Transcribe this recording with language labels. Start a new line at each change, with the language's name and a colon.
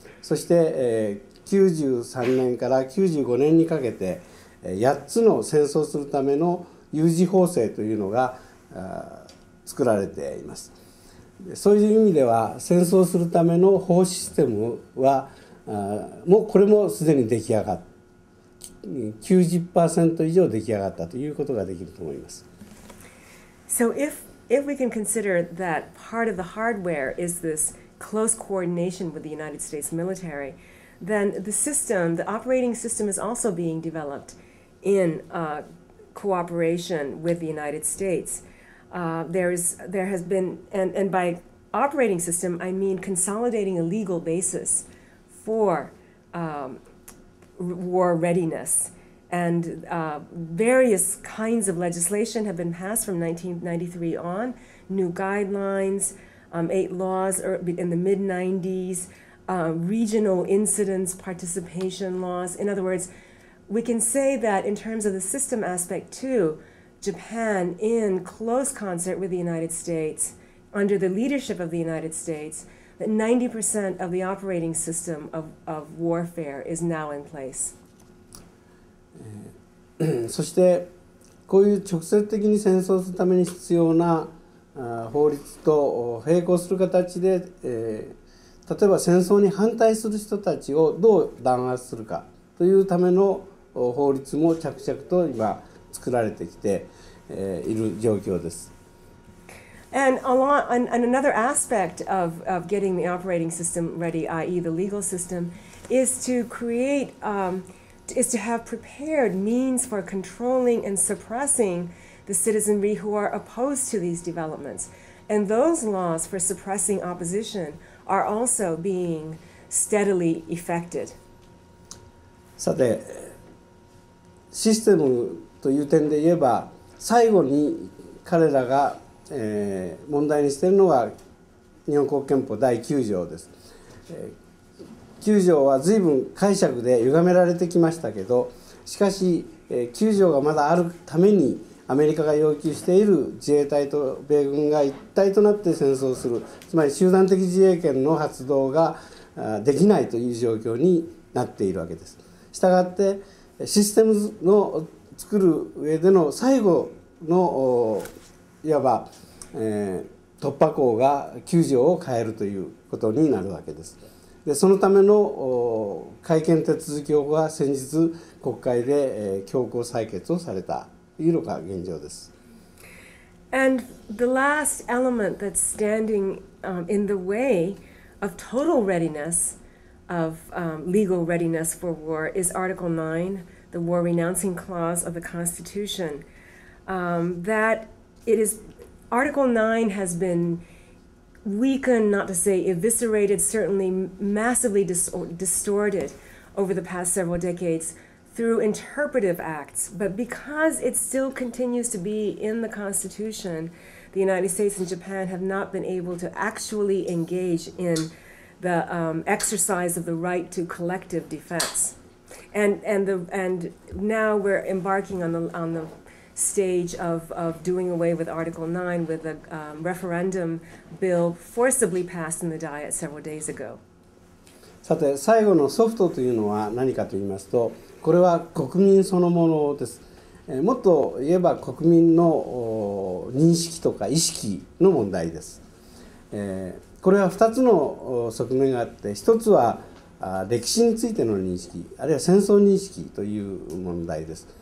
Japanese: そして、93年から95年にかけて8つの戦争するための有事法制というのが作られています。そういう意味では戦争するための法システムはもうこれもすでに出来上がった、 90% 以上出来上がったということができると思います。
English: So if we can consider that part of the hardware is this close coordination with the United States military, then the system, the operating system is also being developed in cooperation with the United States. There has been, and by operating system, I mean consolidating a legal basis for war readiness. and various kinds of legislation have been passed from 1993 on, new guidelines, eight laws in the mid-90s, regional incidents participation laws. In other words, we can say that in terms of the system aspect too, Japan, in close concert with the United States, under the leadership of the United States, that 90% of the operating system of warfare is now in place.
Japanese: そしてこういう直接的に戦争するために必要な法律と並行する形で、例えば戦争に反対する人たちをどう弾圧するかというための法律も着々と今作られてきて、いる状況です。
English: And another aspect of getting the operating system ready, i.e. the legal system, is to create, is to have prepared means for controlling and suppressing the citizenry who are opposed to these developments. And those laws for suppressing opposition are also being steadily effected.
Japanese: さて、システムという点で言えば、最後に彼らが、問題にしているのが日本国憲法第9条です。 9条は随分解釈で歪められてきましたけど、しかし9条がまだあるためにアメリカが要求している自衛隊と米軍が一体となって戦争する、つまり集団的自衛権の発動ができないという状況になっているわけです。したがってシステムの作る上での最後のいわば、突破口が9条を変えるということになるわけです。でそのための改憲手続き法が先日国会で、強行採決をされたというのが現状です。
English: And the last element that's standing in the way of total readiness, of legal readiness for war, is Article 9, the War Renouncing Clause of the Constitution. That it is, Article 9 has beenweakened, not to say eviscerated, certainly massively distorted over the past several decades through interpretive acts. But because it still continues to be in the Constitution, the United States and Japan have not been able to actually engage in the exercise of the right to collective defense. And now we're embarking on the stage of doing away with Article 9 with a referendum bill forcibly passed in the Diet several days ago.
Japanese: さて最後のソフトというのは何かと言いますと、これは国民そのものです。もっと言えば国民の認識とか意識の問題です。これは2つの側面があって、1つは歴史についての認識、あるいは戦争認識という問題です。